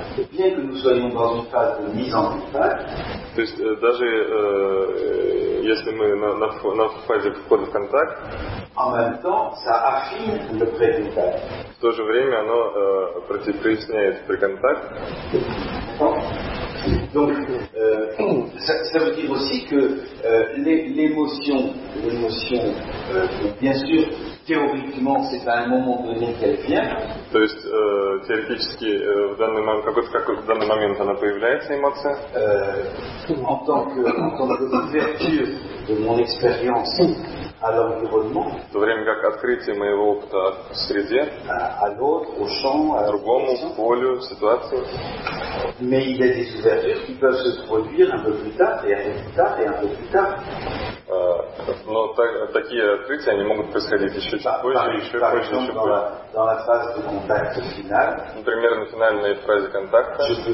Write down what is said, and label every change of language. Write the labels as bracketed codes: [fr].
[fr] Bien que nous soyons dans une phase de mise en contact. [ru] То есть даже если мы на фазе входа в контакт, в то же время оно проясняет приконтакт. [fr] Ça veut dire aussi que l'émotion, bien sûr, théoriquement, c'est à un moment donné qu'elle vient. [ru] То есть теоретически в данный момент в данный момент она появляется эмоция. [fr] En tant que ouverture de mon expérience à l'environnement. [ru] В то время как открытие моего опыта в среде. [fr] À l'autre, au champ, à [ru] другому полю, ситуации. Mais il y a des ouvertures qui peuvent se produire un peu plus tard et un peu plus tard et un peu plus tard. Но такие открытия они могут происходить еще чуть позже, еще позже, еще позже. Например, на финальной фазе контакта.